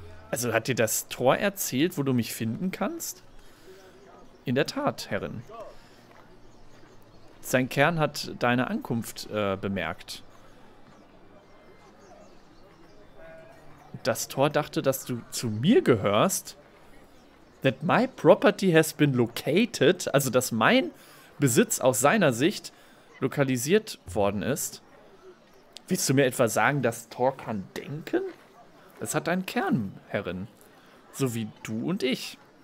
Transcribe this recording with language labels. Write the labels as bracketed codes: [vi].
[de] Also hat dir das Tor erzählt, wo du mich finden kannst? In der Tat, Herrin. Sein Kern hat deine Ankunft bemerkt. Das Tor dachte, dass du zu mir gehörst. [en] That my property has been located. [de] Also, dass mein Besitz aus seiner Sicht lokalisiert worden ist. Willst du mir etwa sagen, dass Thor kann denken? Es hat einen Kern, Herrin. So wie du und ich.